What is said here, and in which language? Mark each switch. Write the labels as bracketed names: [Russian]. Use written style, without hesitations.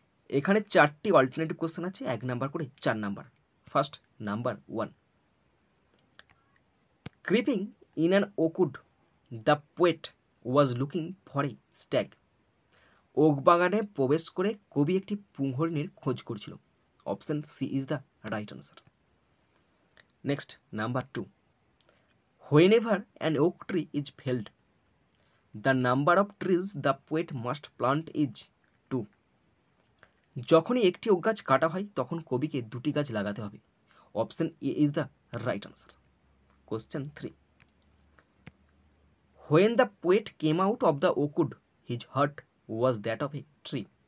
[Bangla] এখানে 4টি alternative question আছে, 1 নাম্বার করে 4 number. [English] First number 1, creeping in an oakwood the poet was looking for a stag. [Bangla] Okay বাগানে প্রবেশ করে কবি একটি পুঙ্গরিণীর খোঁজ করছিল। [English] Option C is the right answer. Next number 2, Whenever an oak tree is felled, the number of trees the poet must plant is 2. [Bangla] যখনই একটি okay গাছ কাটা হয় তখন কবিকে দুটি গাছ লাগাতে হবে। [English] Option A is the right answer. Question 3, when the poet came out of the oakwood his heart was that of a tree.